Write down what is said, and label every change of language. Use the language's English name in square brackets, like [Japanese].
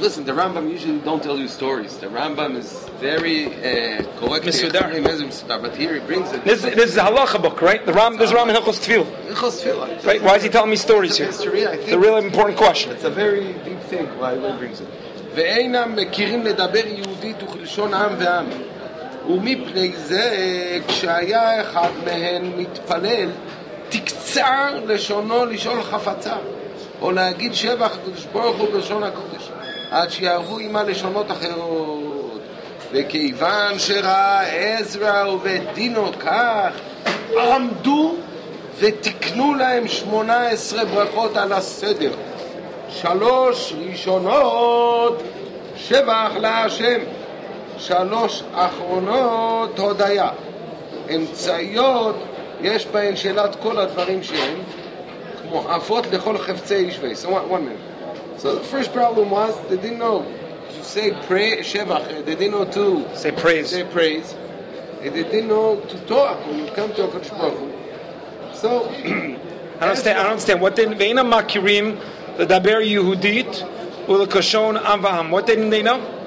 [English] Listen, the Rambam usually don't tell you stories. The Rambam is very correct. [Hebrew] Misudar. [English] But here he brings it. This is a halacha book, right? The Rambam, this is Rambam Hilchos Tefillah. Hilchos Tefillah. Right? Why is he telling me stories here? History, I think. The real important question. It's a very deep thing why he brings it. [Hebrew] ואינם מכירים לדבר יהודית וכלשון עם ועם. ומפני זה, כשהיה אחד מהן מתפלל, תקצר לשונו לשאול חפצה, או להגיד שבח הקדוש ברוך הוא בלשון הקודש, עד שיערבו עמה לשונות אחרות. וכיוון שראה עזרא ובית דינו כך, עמדו ותקנו להם 18 ברכות על הסדר. שלוש ראשונות שבח להשם, שלוש אחרונות הודיה. אמצעיות יש בהן שאלת כל הדברים שהם כמו אפות לכל חפצי איש ואי. [English] So one minute. So the first problem was they didn't know to say pray שבח, they didn't know to say praise. Say praise. They didn't know to talk when you come to a Kodesh Baruch Hu. So I don't understand. What then? [Hebrew] Veina makirim. [English] The Daber Yehudit, Ulakashon Avaham. What didn't they know?